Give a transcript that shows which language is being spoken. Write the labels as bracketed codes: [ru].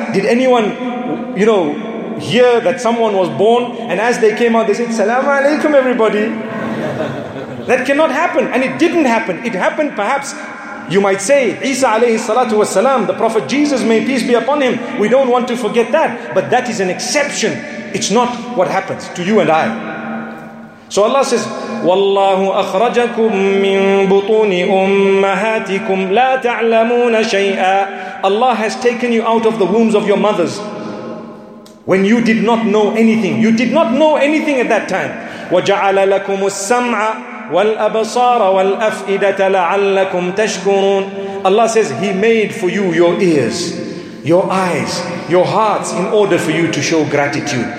[en] Did anyone, you know, hear that someone was born and as they came out, they said, Salaamu Alaikum everybody. That cannot happen. And it didn't happen. It happened perhaps, you might say, Isa alayhi salatu was salam, the Prophet Jesus, may peace be upon him. We don't want to forget that. But that is an exception. It's not what happens to you and I. So Allah says, [ar] وَاللَّهُ أَخْرَجَكُمْ مِنْ بُطُونِ أُمَّهَاتِكُمْ لَا تَعْلَمُونَ شَيْئًا. [en] Allah has taken you out of the wombs of your mothers when you did not know anything. You did not know anything at that time. [ar] وَجَعَلَ لَكُمُ السَّمْعَ وَالْأَبَصَارَ وَالْأَفْئِدَةَ لَعَلَّكُمْ تَشْكُرُونَ. [en] Allah says, He made for you your ears, your eyes, your hearts in order for you to show gratitude.